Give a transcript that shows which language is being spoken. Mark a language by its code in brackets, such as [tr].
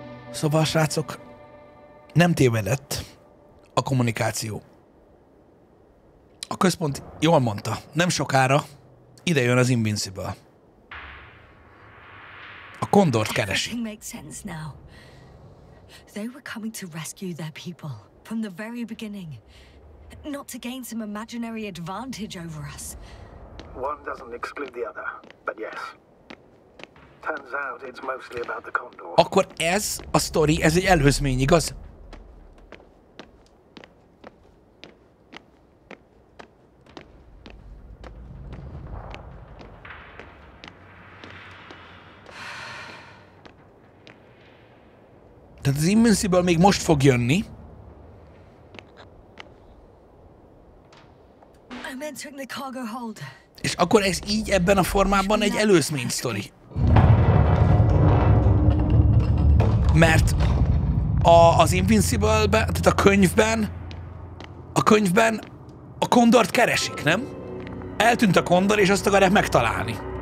[hu] Szóval, srácok, nem tévedett a kommunikáció. A központ jól mondta, nem sokára ide jön az Invincible. A Condort keresi. [en] Everything makes sense now. They were coming to rescue their people from the very beginning. Not to gain some imaginary advantage over us. One doesn't exclude the other, but yes. Turns out it's mostly about the Condor. [hu] Akkor ez a sztori, ez egy előzmény, igaz? Tehát az Invincible még most fog jönni. [en] I'm entering the cargo hold. [hu] És akkor ez így ebben a formában egy előzmény sztori. Mert az Invincible-ben, tehát a könyvben a Condort keresik, nem? Eltűnt a Condor, és azt akarják megtalálni.